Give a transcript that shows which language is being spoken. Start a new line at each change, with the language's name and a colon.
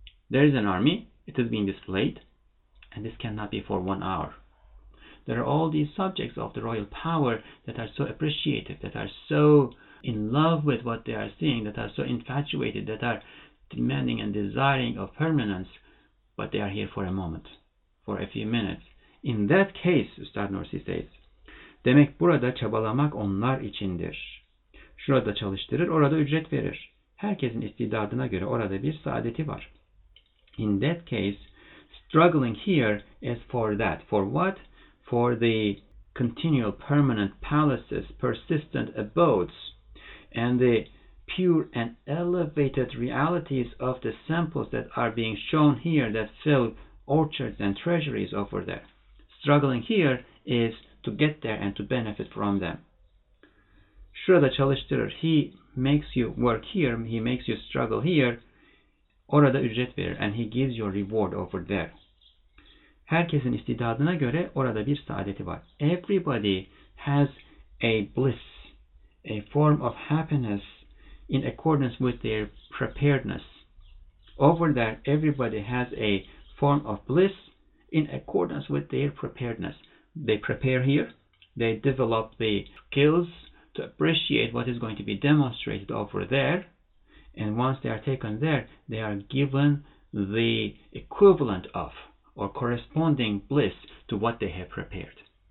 English: There is an army, it is being displayed, and this cannot be for 1 hour. There are all these subjects of the royal power that are so appreciative, that are so in love with what they are seeing, that are so infatuated, that are demanding and desiring of permanence, but they are here for a moment, for a few minutes. In that case,
Turkish: Üstad Nursi says, demek burada çabalamak onlar içindir. Şurada çalıştırır, orada ücret verir. Herkesin istidadına göre orada bir saadeti var.
English: In that case, struggling here is for that. For what? For the continual permanent palaces, persistent abodes, and the pure and elevated realities of the samples that are being shown here that fill orchards and treasuries over there. Struggling here is to get there and to benefit from them.
Turkish: Şurada çalıştırır.
English: He makes you work here. He makes you struggle here.
Turkish: Orada ücret verir.
English: And he gives you a reward over there.
Turkish: Herkesin istidadına göre orada bir saadeti var.
English: Everybody has a bliss, a form of happiness in accordance with their preparedness. Over there, everybody has a form of bliss in accordance with their preparedness. They prepare here, they develop the skills to appreciate what is going to be demonstrated over there, and once they are taken there, they are given the equivalent of or corresponding bliss to what they have prepared.